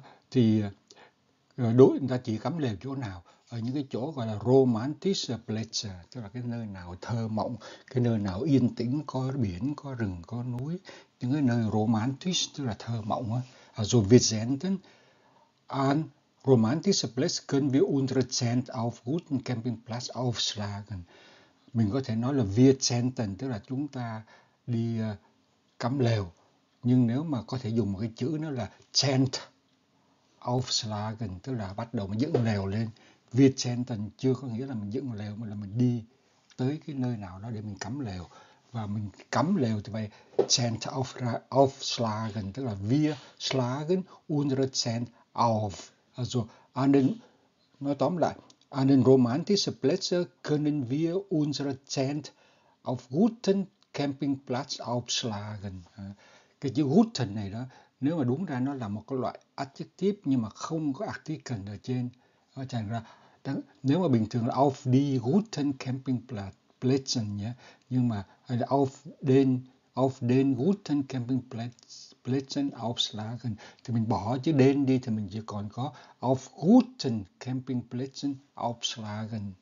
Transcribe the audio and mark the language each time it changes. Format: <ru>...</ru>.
<vi>Thì đối với người ta chỉ cắm lều chỗ nào? Ở những cái chỗ gọi là romantic place, tức là cái nơi nào thơ mộng, cái nơi nào yên tĩnh, có biển, có rừng, có núi. Những cái nơi romantic, tức là thơ mộng. Rồi</vi> <de>wir zelten an Romantische Plätze können wir unsere Zelt auf guten Campingplatz aufschlagen.</de> <vi>Mình có thể nói là</vi> <de>wir zelten,</de> <vi>tức là chúng ta đi cắm lều. Nhưng nếu mà có thể dùng một cái chữ nữa là zelt aufschlagen, tức là bắt đầu mình dựng lều lên. Wir zelten chưa có nghĩa là mình dựng lều, mà là mình đi tới cái nơi nào đó để mình cắm lều. Và mình cắm lều thì phải zelt aufschlagen, tức là</vi> <de>wir schlagen unsere zelt auf. Also,</de> <vi>nói tóm lại,</vi> <de>an den romantischen Plätzen können wir unsere Zelt auf guten Campingplatz aufschlagen.</de> <vi>Cái chữ guten này đó, nếu mà đúng ra nó là một cái loại adjective nhưng mà không có artikel ở trên. Chẳng ra, nếu mà bình thường là</vi> <de>auf die guten Campingplätzen</de> <vi>nhé, nhưng mà hay là</vi> <de>auf den guten Campingplätzen aufschlagen.</de> <vi>Thì mình bỏ chữ den đi thì mình chỉ còn có</vi> <de>auf guten Campingplätzen aufschlagen.</de>